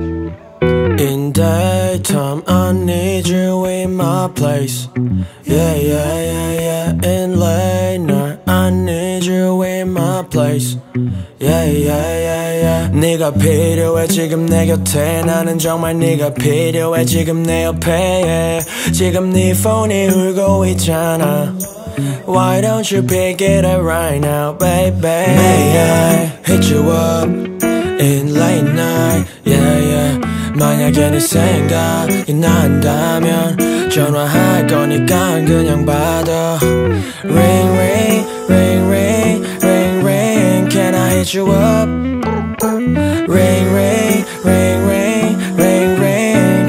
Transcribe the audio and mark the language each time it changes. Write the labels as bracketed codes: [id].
[en] In daytime I need you in my place. Yeah yeah yeah yeah. In late night I need you in my place. Yeah yeah yeah yeah. [ko] 네가 필요해 지금 내 곁에. 나는 정말 네가 필요해 지금 내 옆에. [en] Yeah. [ko] 지금 네 폰이 울고 있잖아. [en] Why don't you pick it up right now, baby? May I hit you up in late night? Yeah, yeah. [ko] 만약에 네 생각이 난다면 전화할 거니까 그냥 받아. [en] Ring, ring, ring, ring, ring, ring. Can I hit you up? Ring, ring, ring, ring, ring, ring.